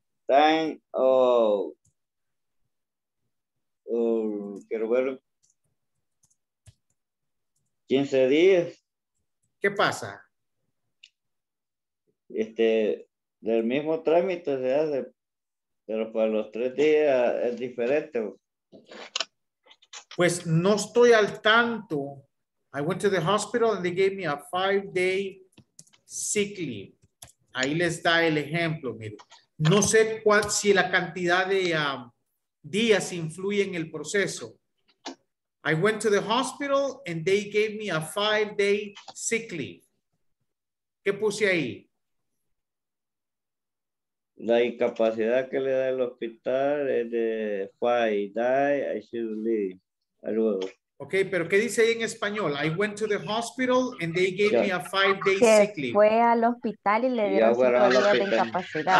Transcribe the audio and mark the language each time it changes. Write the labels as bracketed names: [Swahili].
[Spanish] Time of, quiero ver, 15 días. ¿Qué pasa? Del mismo trámite se hace, pero para los 3 días es diferente. Pues no estoy al tanto. [English] I went to the hospital and they gave me a 5-day sick leave. [Spanish] Ahí les da el ejemplo, miren. No sé si la cantidad de días influye en el proceso. [English] I went to the hospital and they gave me a 5-day sick leave. [Spanish] ¿Qué puse ahí? La incapacidad que le da el hospital es de 5-day, [English] I should leave. [Spanish] Algo. Ok, pero ¿qué dice ahí en español? [English] I went to the hospital and they gave me a 5-day sick leave. [Spanish] Fue al hospital y le dieron 5 días de incapacidad.